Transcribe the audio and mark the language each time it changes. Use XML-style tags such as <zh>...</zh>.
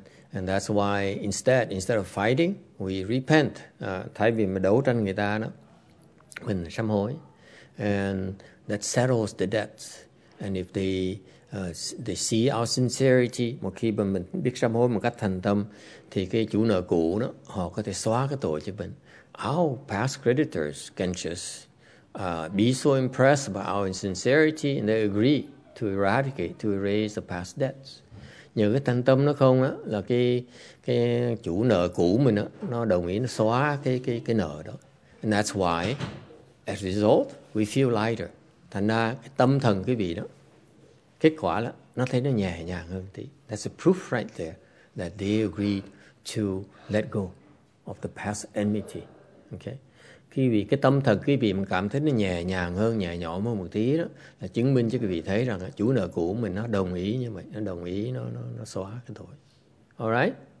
<en>And that's why instead of fighting, we repent.</en> <vi>Thay vì mà đấu tranh người ta, đó, mình sám hối.</vi> <en>And that settles the debts. And if they see our sincerity,</en> <vi>một khi mà mình biết sám hối một cách thành tâm, thì cái chủ nợ cũ đó, họ có thể xóa cái tội cho mình.</vi> <en>Our past creditors can just be so impressed by our insincerity and they agree to eradicate, to erase the past debts.</en> <vi>Nhờ cái thành tâm nó không á, là cái chủ nợ cũ mình á, nó đồng ý nó xóa cái nợ đó.</vi> <en>And that's why, as a result, we feel lighter.</en> <vi>Thành ra cái tâm thần quý vị đó, kết quả là nó thấy nó nhẹ nhàng hơn tí.</vi> <en>That's a proof right there that they agreed to let go of the past enmity. Okay.</en> <vi>quý vị, cái tâm thần quý vị mình cảm thấy nó nhẹ nhàng hơn, nhẹ nhõm hơn một tí đó, là chứng minh cho quý vị thấy rằng chủ nợ cũ mình nó đồng ý như vậy, nó đồng ý, nó xóa cái tội.</vi>